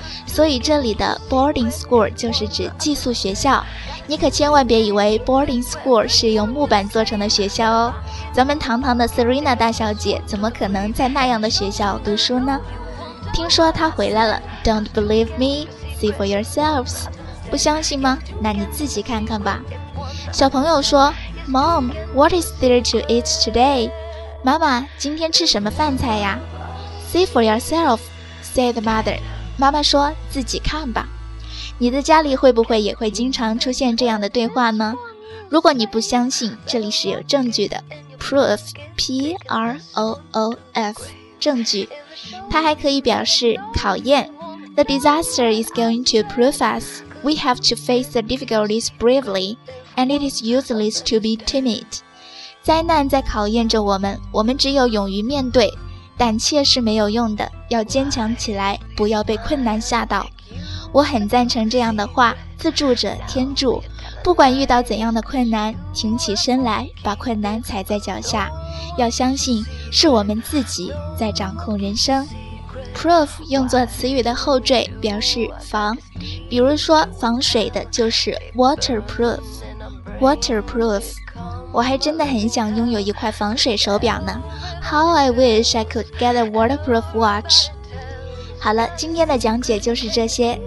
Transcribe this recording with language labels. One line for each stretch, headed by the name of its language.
Chinese: 所以这里的 boarding school 就是指寄宿学校。你可千万别以为 boarding school 是用木板做成的学校哦，咱们堂堂的 Serena 大小姐怎么可能在那样的学校读书呢？听说她回来了，
English: Don't believe me? See for yourselves.
Chinese: 不相信吗？那你自己看看吧。小朋友说
English: Mom, what is there to eat today?
Chinese: 妈妈，今天吃什么饭菜呀？
English: See for yourself, said the mother.
Chinese: 妈妈说，自己看吧。你的家里会不会也会经常出现这样的对话呢？如果你不相信，这里是有证据的。Proof, P-R-O-O-F, 证据。它还可以表示考验、
English: The disaster is going to prove us. We have to face the difficulties bravely, and it is useless to be timid.
Chinese: 灾难在考验着我们，我们只有勇于面对。胆怯是没有用的，要坚强起来，不要被困难吓倒。我很赞成这样的话，自助者天助。不管遇到怎样的困难，挺起身来，把困难踩在脚下。要相信是我们自己在掌控人生。 Proof 用作词语的后缀表示防，比如说防水的就是 waterproof。
English: Waterproof。
Chinese: 我还真的很想拥有一块防水手表呢。
English: How I wish I could get a waterproof watch.
Chinese: 好了，今天的讲解就是这些。